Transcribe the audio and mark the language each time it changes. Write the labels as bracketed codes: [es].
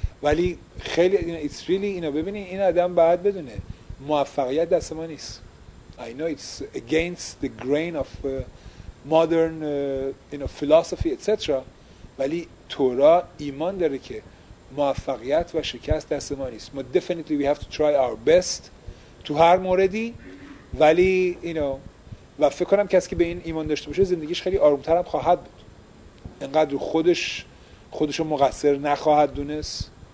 [fa] ولی خیلی [en] it's really [fa] ببینین این آدم باید بدونه موفقیت دست ما نیست. [en] I know it's against the grain of modern philosophy etc. [fa] ولی تورا ایمان داره که موفقیت و شکست دست ما نیست. ما [en] definitely we have to try our best [fa] تو هر موردی، ولی و فکر کنم کسی که به این ایمان داشته باشه زندگیش خیلی آرومتر هم خواهد بود، انقدر خودشو مقصر نخواهد دونست.